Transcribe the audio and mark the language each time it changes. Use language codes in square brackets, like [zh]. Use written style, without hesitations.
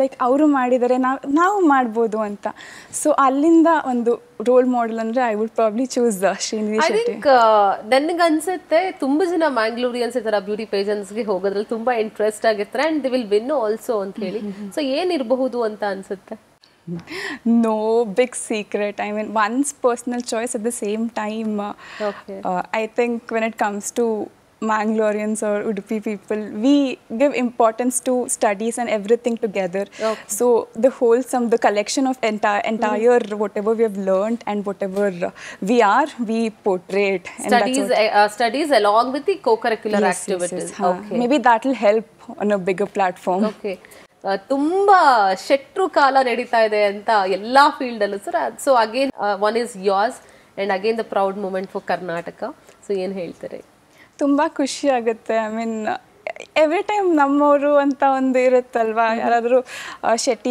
[kn] Like ಅವರು ಮಾಡಿದರೆ ನಾವು ಮಾಡ್ಬೋದು ಅಂತ. ಸೊ ಅಲ್ಲಿಂದ ಒಂದು ರೋಲ್ ಮಾಡೆಲ್ ಅಂದರೆ [en] I would probably choose [kn] Srinidhi Shetty. ನನಗೆ ಅನಿಸುತ್ತೆ ತುಂಬ ಜನ ಮ್ಯಾಂಗ್ಲೂರಿಯನ್ಸ್ ಈ ಥರ ಬ್ಯೂಟಿ ಪೇಜೆಂಟ್ಸ್ಗೆ ಹೋಗೋದ್ರಲ್ಲಿ ತುಂಬ ಇಂಟ್ರೆಸ್ಟ್ ಆಗಿರ್ತಾರೆ [en] and they will win also [kn] ಅಂತ ಹೇಳಿ. ಸೊ ಏನಿರಬಹುದು ಅಂತ ಅನಿಸುತ್ತೆ? [en] No big secret. I mean, one's personal choice at the same time. Okay. I think when it comes to Mangalorians or Udupi people, we give importance to studies and everything together. Okay. So the wholesome, the collection of entire whatever we have learned and whatever we are, we portray it. Studies along with the co-curricular activities. Okay. Maybe that will help on a bigger platform. Okay. [kn] ತುಂಬಾ ಶೆಟ್ರು ಕಾಲ ನಡೀತಾ ಇದೆ ಅಂತ ಎಲ್ಲಾ field ಅಲ್ಲೂ sir. [en] So again one is yours and again the proud moment for Karnataka. [kn] So ಏನ್ ಹೇಳ್ತಾರೆ? ತುಂಬಾ ಖುಷಿ ಆಗುತ್ತೆ. [en] I mean every time [kn] ನಮ್ಮವರು ಅಂತ ಒಂದು ಇರುತ್ತಲ್ವಾ, ಯಾರಾದರೂ ಶೆಟ್ಟಿ.